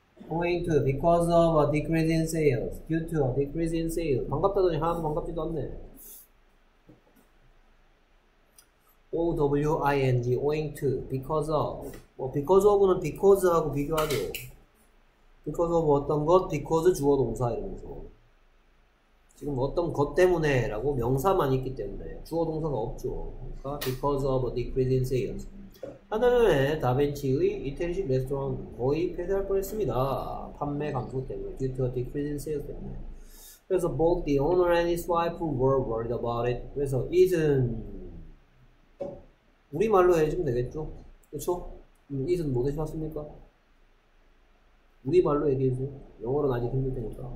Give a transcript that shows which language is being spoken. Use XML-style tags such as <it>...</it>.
<en>owing to, because of a decrease in sales. due to a decrease in sales.</en> <ko>반갑다더니 하나도 반갑지도 않네.</ko> <en>owing, owing to, because of. 뭐, because of는 because하고 비교하죠.</en> <ko>because of 어떤 것, because 주어 동사 이러면서 지금 어떤 것 때문에 라고 명사만 있기 때문에 주어 동사가 없죠.</ko> <en>그러니까 because of a decrease in sales.</en> <ko>한 달 전에 다빈치의 이태리식 레스토랑 거의 폐쇄할 뻔했습니다. 판매 감소 때문에,</ko> <en>due to a decrease in sales</en> <ko>때문에.</ko> <en>그래서 both the owner and his wife were worried about it.</en> <ko>그래서 it은 우리말로 해주면 되겠죠. 그쵸? it은 뭐 되셨습니까? 우리말로 얘기해줘. 영어로는 아직 힘들 테니까.</ko>